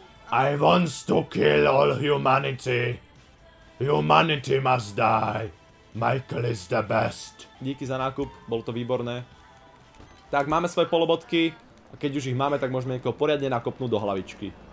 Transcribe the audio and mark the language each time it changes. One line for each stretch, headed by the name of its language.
English: I want to kill all humanity. Humanity must die. Michael is the best.
Slovak: Díky za nákup, bolo to výborné. Tak máme svoje polobotky. A keď už ich máme, tak môžeme niekoho poriadne nakopnúť do hlavičky.